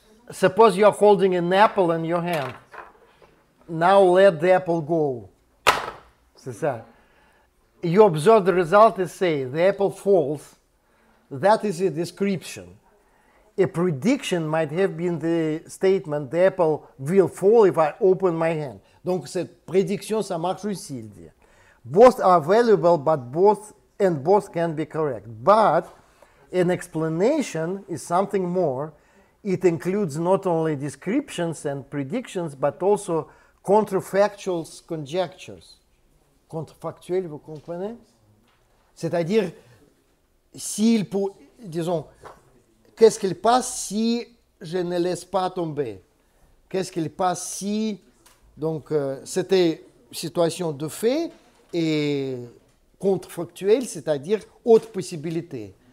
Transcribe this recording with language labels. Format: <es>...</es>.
<en>Suppose you're holding an apple in your hand. Now let the apple go.</en> <fr>C'est ça.</fr> <en>You observe the result and say, the apple falls. That is a description. A prediction might have been the statement, the apple will fall if I open my hand.</en> <fr>Donc cette prédiction, ça marche aussi, il dit.</fr> <en>Both are valuable, but both, and both can be correct. But an explanation is something more. It includes not only descriptions and predictions, but also counterfactual conjectures.</en> <fr>Contrefactuel, vous comprenez? C'est-à-dire, s'il peut, disons, qu'est-ce qu'il passe si je ne laisse pas tomber? Qu'est-ce qu'il passe si, donc, c'était situation de fait et contrefactuel, c'est-à-dire autre possibilité.</fr>